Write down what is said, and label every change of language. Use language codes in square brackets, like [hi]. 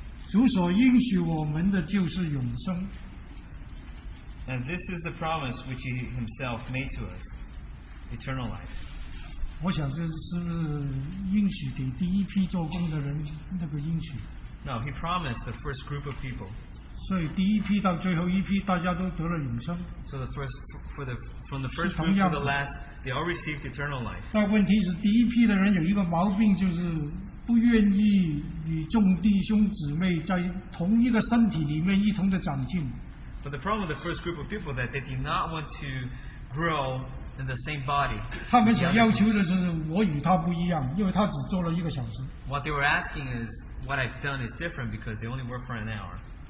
[zh] 主所应许我们的就是永生。 [en] And this is the promise which He Himself made to us, eternal life. [zh] 我想这是应许给第一批做工的人那个应许。 [en] No, He promised the first group of people. [zh] 所以第一批到最后一批大家都得了永生。 [en] So the first from the first group to the last, they all received eternal life. [zh] 但问题是第一批的人有一个毛病，就是不愿意与众弟兄姊妹在同一个身体里面一同的长进。 [en] But the problem with the first group of people is that they did not want to grow in the same body. [zh] 他们想要求的就是我与他不一样，因为他只做了一个小时。 [en] What they were asking is, what I've done is different because they only work for an hour.